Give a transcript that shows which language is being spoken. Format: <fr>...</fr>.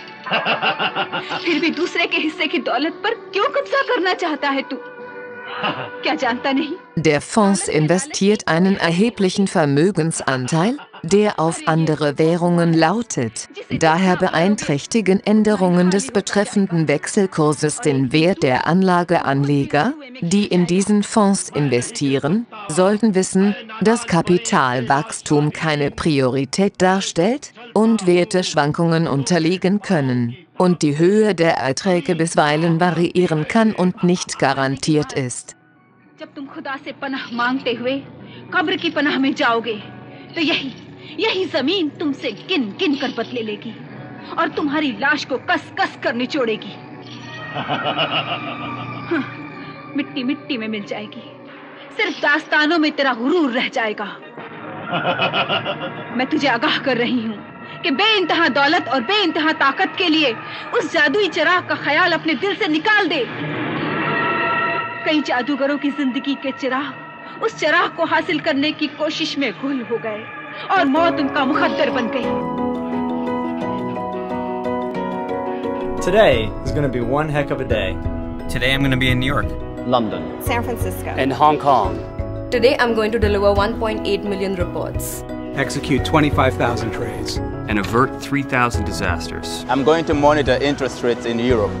<hi>फिर भी दूसरे के हिस्से की दौलत पर क्यों कब्जा करना चाहता है तू? क्या जानता नहीं?</hi> <de>Der Fonds investiert einen erheblichen Vermögensanteil, der auf andere Währungen lautet. Daher beeinträchtigen Änderungen des betreffenden Wechselkurses den Wert der Anlageanleger, die in diesen Fonds investieren, sollten wissen, dass Kapitalwachstum keine Priorität darstellt und Werteschwankungen unterliegen können und die Höhe der Erträge bisweilen variieren kann und nicht garantiert ist.</de> <hi>जब तुम खुदा से पनाह मांगते हुए कब्र की पनाह में जाओगे तो यही जमीन तुमसे गिन गिन कर बदले लेगी और तुम्हारी लाश को कस कस कर निचोड़ेगी मिट्टी मिट्टी में मिल जाएगी सिर्फ दास्तानों में तेरा गुरूर रह जाएगा मैं तुझे आगाह कर रही हूँ कि बे इंतहा दौलत और बे इंतहा ताकत के लिए उस जादुई चिराग का ख्याल अपने दिल से निकाल दे कई जादूगरों की जिंदगी के चिराग उस चिराग को हासिल करने की कोशिश में घुल हो गए और मौत उनका मुखद्दर बन गई</hi> <en>Today is going to be one heck of a day. Today I'm going to be in New York, London, San Francisco, and Hong Kong. Today I'm going to deliver 1.8 million reports, execute 25,000 trades, and avert 3,000 disasters. I'm going to monitor interest rates in Europe,</en>